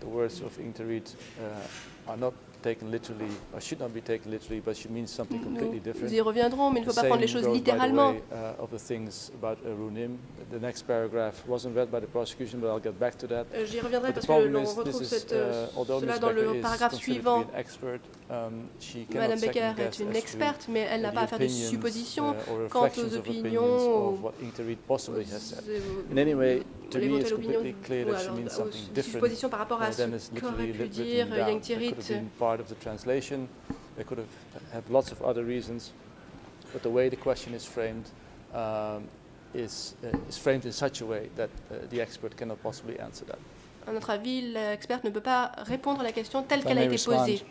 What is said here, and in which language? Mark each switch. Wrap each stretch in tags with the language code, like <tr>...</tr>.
<en>The words of Inge Reid are not taken literally, or should not be taken literally, but she means something completely</en> <fr>Nous</fr> <en>different.</en> <fr>Nous y reviendrons, mais il ne faut pas prendre les choses littéralement.</fr> <en>The same goes, by the way, of the things about Runim. The next paragraph wasn't read by the prosecution, but I'll get back to that.</en> <fr>J'y reviendrai parce que l'on retrouve cela dans le paragraphe suivant. Expert, Madame Becker est une experte, mais elle n'a pas à faire des suppositions quant aux opinions</fr> <en>of what Inge Reid possibly has said. In any way, to me, it's completely clear that she means something different.</en> <fr>Supposition par rapport à ce qu'aurait pu dire Inge Reid.</fr> <en>Part of the translation, they could have lots of other reasons, but the way the question is framed is framed in such a way that the expert cannot possibly answer that.</en> <fr>À notre avis, l'expert ne peut pas répondre à la question telle qu'elle a été posée.</fr>